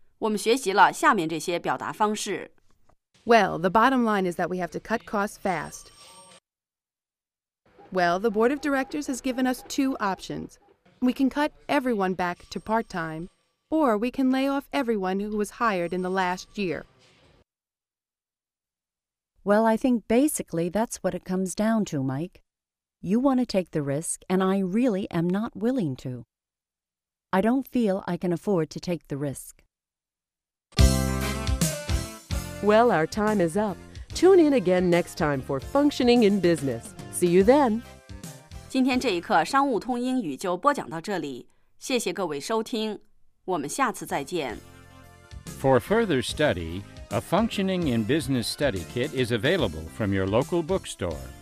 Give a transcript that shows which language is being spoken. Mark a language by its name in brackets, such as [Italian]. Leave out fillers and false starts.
[Chinese] 各位听众，今天我们重点学习怎样概括一种意见和重述一种看法。我们学习了下面这些表达方式。 [English] Well, the bottom line is that we have to cut costs fast. Well, the board of directors has given us two options. We can cut everyone back to part-time, or we can lay off everyone who was hired in the last year. Well, I think basically that's what it comes down to, Mike. You want to take the risk, and I really am not willing to. I don't feel I can afford to take the risk. Well, our time is up. Tune in again next time for Functioning in Business. See you then. [Chinese] 今天这一课商务通英语就播讲到这里，谢谢各位收听，我们下次再见。For [English] further study, a Functioning in Business study kit is available from your local bookstore.